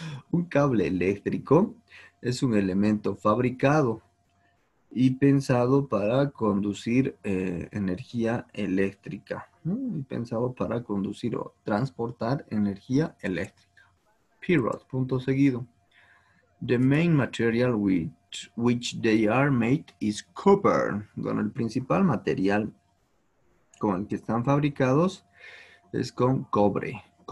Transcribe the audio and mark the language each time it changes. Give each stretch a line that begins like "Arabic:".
Spanish: Un cable eléctrico es un elemento fabricado y pensado para conducir energía eléctrica, ¿no? Y pensado para conducir o transportar energía eléctrica.
English: Period,
Spanish: punto seguido.
English: The main material which they are made is copper.
Spanish: Bueno, el principal material con el que están fabricados es con cobre.